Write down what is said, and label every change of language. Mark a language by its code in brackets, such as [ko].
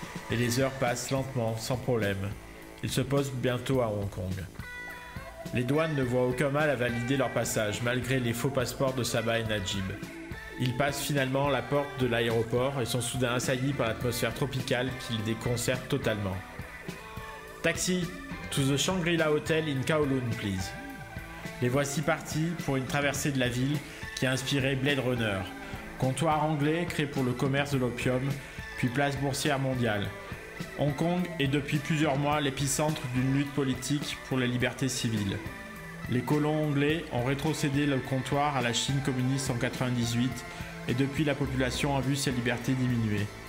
[fr] Et les heures passent lentement, sans problème. Ils se posent bientôt à Hong Kong. Les douanes ne voient aucun mal à valider leur passage, malgré les faux passeports de Saba et Najib. Ils passent finalement la porte de l'aéroport et sont soudain assaillis par l'atmosphère tropicale qui les déconcerte totalement. Taxi! [en] To the Shangri-La Hotel in Kowloon, please. [fr] Les voici partis pour une traversée de la ville qui a inspiré Blade Runner. Comptoir anglais créé pour le commerce de l'opium, puis place boursière mondiale. Hong Kong est depuis plusieurs mois l'épicentre d'une lutte politique pour la liberté civile. Les colons anglais ont rétrocédé le comptoir à la Chine communiste en 1998 et depuis la population a vu sa liberté diminuer.